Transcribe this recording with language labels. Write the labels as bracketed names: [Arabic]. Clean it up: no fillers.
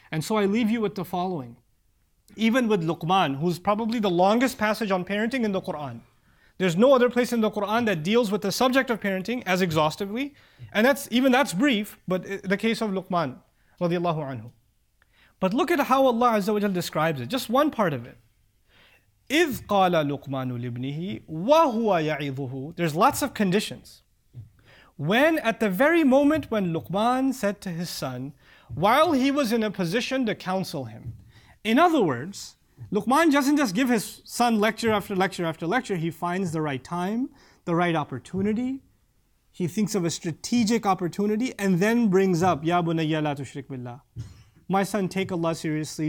[English] And so I leave you with the following. Even with Luqman, who's probably the longest passage on parenting in the Quran. There's no other place in the Quran that deals with the subject of parenting as exhaustively. And that's even that's brief, but the case of Luqman, radiallahu anhu. But look at how Allah Azza wa Jalla describes it. Just one part of it. [Arabic] إِذْ قَالَ لُقْمَانُ لِبْنِهِ وَهُوَ يَعِظُهُ [English] There's lots of conditions. When at the very moment when Luqman said to his son, while he was in a position to counsel him. In other words, Luqman doesn't just give his son lecture after lecture after lecture. He finds the right time, the right opportunity. He thinks of a strategic opportunity and then brings up, [Arabic] يَا بُنَيَّ لَا تُشْرِكْ بِاللَّهِ [English] My son, take Allah seriously.